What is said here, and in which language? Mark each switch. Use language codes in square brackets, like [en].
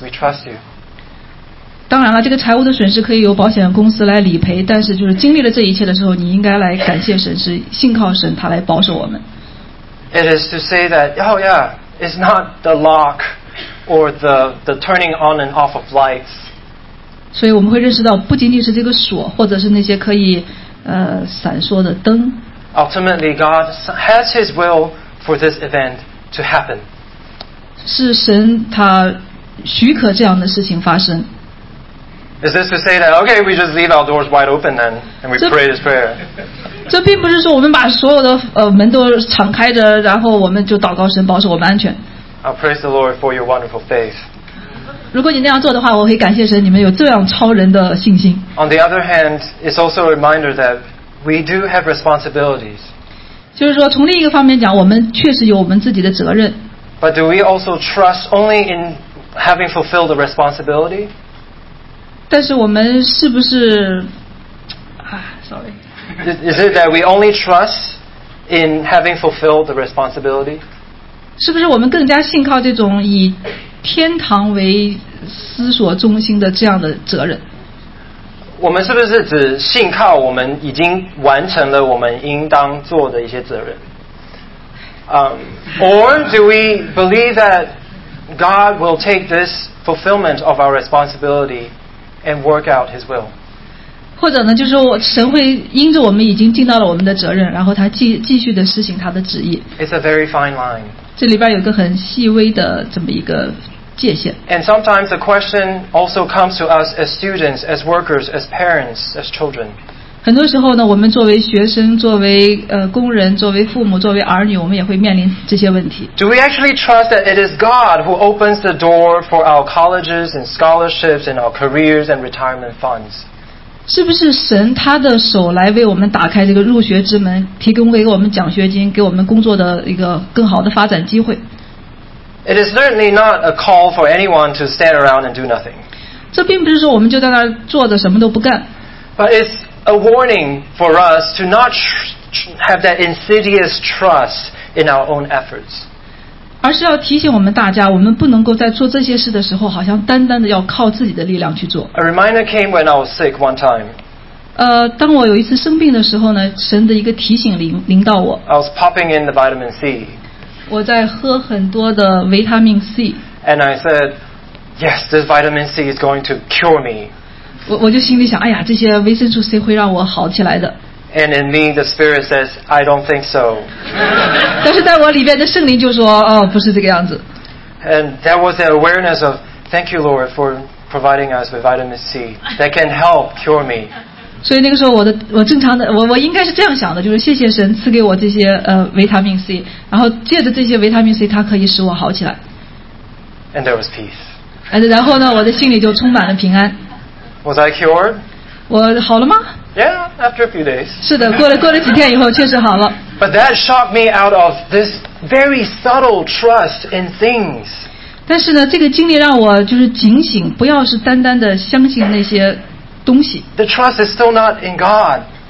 [en] We trust you. [zh] 当然了，这个财务的损失可以由保险公司来理赔，但是就是经历了这一切的时候，你应该来感谢神，是信靠神，他来保守我们。 [en] It is to say that, oh yeah, it's not the lock or the turning on and off of lights. [zh] 所以我们会认识到，不仅仅是这个锁，或者是那些可以。闪烁的灯。 [en] Ultimately, God has His will for this event to happen. [zh] 是神他许可这样的事情发生。 [en] Is this to say that okay, we just leave our doors wide open then, and we pray this prayer? [zh] 这并不是说我们把所有的门都敞开着，然后我们就祷告神保守我们安全。 [en] I'll praise the Lord for your wonderful faith. [zh] 如果你那样做的话，我会感谢神，你们有这样超人的信心。 [en] On the other hand, it's also a reminder that we do have responsibilities. [zh] 就是说，从另一个方面讲，我们确实有我们自己的责任。 [en] But do we also trust only in having fulfilled the responsibility? [zh] 但是我们是不是， [en] sorry. Is it that we only trust in having fulfilled the responsibility? [zh] 是不是我们更加信靠这种以天堂为思索中心的这样的责任？我们是不是只信靠我们已经完成了我们应当做的一些责任？ [en] Or do we believe that God will take this fulfillment of our responsibility and work out His will? [zh] 或者呢，就是神会因着我们已经尽到了我们的责任，然后他继续的实行他的旨意。 [en] It's a very fine line. [zh] 这里边有个很细微的这么一个。 [en] And sometimes the question also comes to us as students, as workers, as parents, as children. [zh] 很多时候呢，我们作为学生，作为工人，作为父母，作为儿女，我们也会面临这些问题。 [en] Do we actually trust that it is God who opens the door for our colleges and scholarships and our careers and retirement funds? [zh] 是不是神他的手来为我们打开这个入学之门，提供给我们奖学金，给我们工作的一个更好的发展机会？ [en] It is certainly not a call for anyone to stand around and do nothing. [zh] 这并不是说我们就在那儿坐着什么都不干。 [en] But it's a warning for us to not have that insidious trust in our own efforts. [zh] 而是要提醒我们大家，我们不能够在做这些事的时候，好像单单的要靠自己的力量去做。 [en] A reminder came when I was sick one time. [zh] 当我有一次生病的时候呢，神的一个提醒临到我。 [en] I was popping in the vitamin C. [zh] 我在喝很多的维他命 C. [en] And I said, "Yes, this vitamin C is going to cure me." [zh] 我就心里想，哎呀，这些维生素 C 会让我好起来的。 [en] And in me, the spirit says, "I don't think so." [zh] 但是在我里边的圣灵就说，哦，不是这个样子。 [en] And that was the awareness of, thank you, Lord, for providing us with vitamin C that can help cure me. [zh] 所以那个时候我正常的我应该是这样想的，就是谢谢神赐给我这些维他命 C， 然后借着这些维他命 C， 它可以使我好起来。 [en] And there was peace. [zh] 然后呢，我的心里就充满了平安。 [en] Was I cured? [zh] 我好了吗？ [en] Yeah, after a few days. [zh] 是的，过了几天以后，确实好了。 [en] But that shocked me out of this very subtle trust in things. [zh] 但是呢，这个经历让我就是警醒，不要是单单的相信那些东西。 [en] The trust is still not in God.